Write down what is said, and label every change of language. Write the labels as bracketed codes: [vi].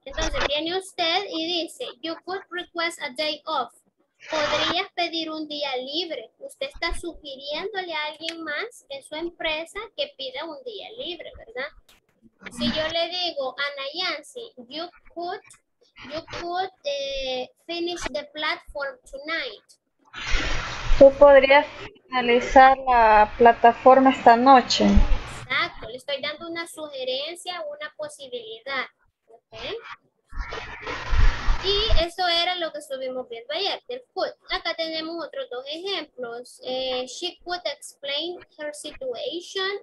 [es] Entonces, viene usted y dice, [en] you could request a day off. [es] Podrías pedir un día libre. Usted está sugiriéndole a alguien más en su empresa que pida un día libre, ¿verdad? Si yo le digo, [en] Ana Yancy, you could finish the platform tonight. [es] Tú podrías finalizar la plataforma esta noche. Exacto, le estoy dando una sugerencia, una posibilidad. ¿Ok? Y eso era lo que estuvimos viendo ayer, del could. Acá tenemos otros dos ejemplos. [en] She could explain her situation.